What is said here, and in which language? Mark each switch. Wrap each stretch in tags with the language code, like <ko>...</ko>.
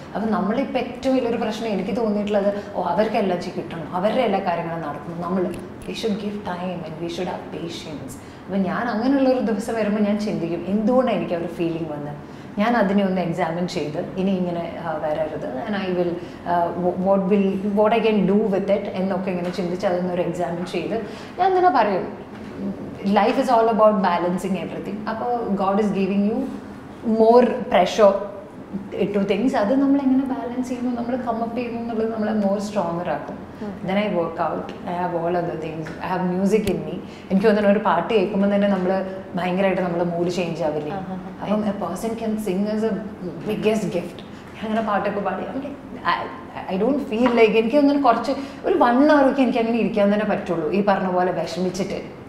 <ml>അപ്പം നമ്മളിപ്പോൾ ഏറ്റവും വലിയൊരു പ്രശ്നം എനിക്ക് തോന്നിയിട്ടുള്ളത്, ഓ അവർക്ക് എല്ലാം കിട്ടണം, അവരുടെ എല്ലാ കാര്യങ്ങളും നടക്കുന്നു, നമ്മൾ</ml> <en>We should give time and we should have patience.</en> <ml>അപ്പം ഞാൻ അങ്ങനെയുള്ളൊരു ദിവസം വരുമ്പോൾ ഞാൻ ചിന്തിക്കും എന്തുകൊണ്ടാണ് എനിക്ക് ആ ഒരു ഫീലിംഗ് വന്നത്. ഞാൻ അതിനെ ഒന്ന് എക്സാമിൻ ചെയ്ത് ഇനി ഇങ്ങനെ വരരുത്,</ml> <en>and I will what will what I can do with it</en> <ml>എന്നൊക്കെ ഇങ്ങനെ ചിന്തിച്ച് അതൊന്നൊരു എക്സാമിൻ ചെയ്ത് ഞാൻ തന്നെ പറയും.</ml> <en>Life is all about balancing everything. അപ്പോൾ God is giving you more pressure to things.</en> <ml>അത് നമ്മൾ എങ്ങനെ ബാലൻസ് ചെയ്യുന്നു, നമ്മൾ കം അപ്പ് ചെയ്യുന്നു എന്നുള്ളത് നമ്മളെ മോർ സ്ട്രോങ്ങർ ആക്കും.</ml> <en>Then I work out, I have all other things, I have music in me.</en> <ml>എനിക്ക് തോന്നുന്നു ഒരു പാട്ട് കേൾക്കുമ്പോൾ തന്നെ നമ്മൾ ഭയങ്കരമായിട്ട് നമ്മൾ മൂഡ് ചേഞ്ച് ആവില്ല. അപ്പം</ml> <en>A person can sing is a biggest gift.</en> <ml>അങ്ങനെ പാട്ടൊക്കെ പാടി</ml> <en>I don't feel like,</en> <ml>എനിക്ക് തോന്നുന്നു കുറച്ച് ഒരു 1 hour ഒക്കെ എനിക്ക് അങ്ങനെ ഇരിക്കാൻ തന്നെ പറ്റുള്ളൂ ഈ പറഞ്ഞ പോലെ വിഷമിച്ചിട്ട്.</ml>